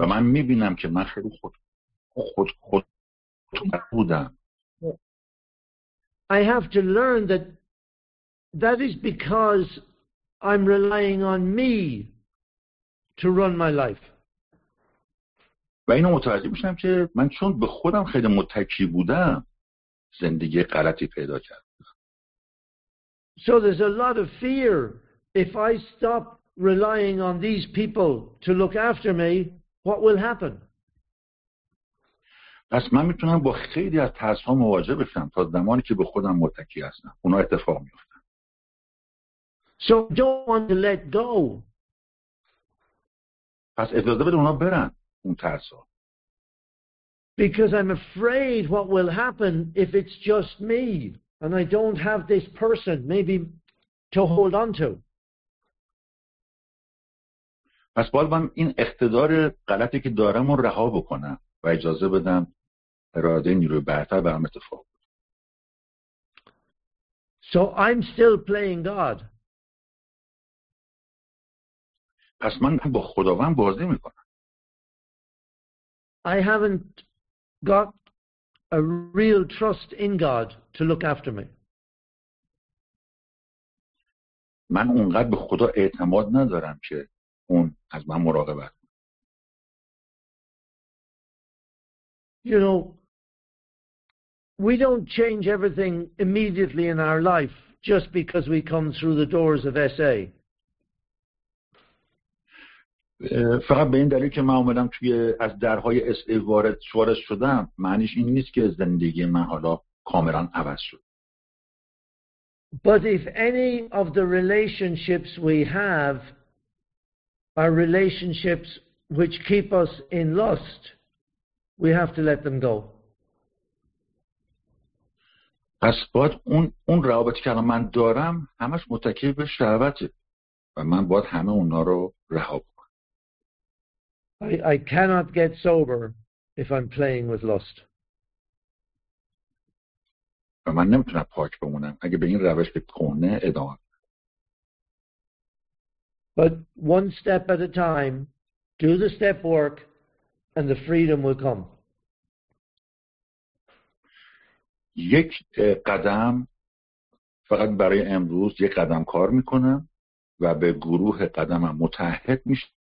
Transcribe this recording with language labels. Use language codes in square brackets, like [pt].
[fa] و من میبینم که من خیلی خود بودم. [en] I have to learn that is because I'm relying on me to run my life. [fa] و اینو متوجه میشم که من چون به خودم خیلی متکی بودم زندگی غلطی پیدا کردم. [en] So there's a lot of fear. If I stop relying on these people to look after me, what will happen? [fa] پس من میتونم با خیلی از ترس‌ها مواجه بشم تا زمانی که به خودم متکی هستم. اونا اتفاق میفته. [en] So don't want to let go. [fa] پس اجازه بده اونا برن اون ترسا. [en] Because I'm afraid what will happen if it's just me and I don't have this person maybe to hold on to. [fa] پس باید من این اقتدار غلطی که دارم رو رها بکنم و اجازه بدم اراده نیروی برتر به هم اتفاق. [en] So I'm still playing God. [fa] پس من با خداوند بازی میکنم. [en] I haven't got a real trust in God to look after me. [fa] من اونقدر به خدا اعتماد ندارم که اون از من مراقبت کنه. [en] You know, we don't change everything immediately in our life just because we come through the doors of SA. [fa] فقط به این دلیل که من اومدم توی از درهای SA وارد شدم معنیش این نیست که زندگی من حالا کاملا عوض شد. [en] But if any of the relationships we have are relationships which keep us in lust, we have to let them go. [fa] پس باید اون روابطی که من دارم همش متکی به شهوته و من باید همه اونا رو رها کنم. [en] I cannot get sober if I'm playing with lust. [fa] من نمیتونم پاک بمونم اگه به این روش به کهنه ادامه بدم. [en] But one step at a time, do the step work and the freedom will come. [fa] یک قدم فقط برای امروز یک قدم کار میکنم و به گروه قدمم متحد میشم.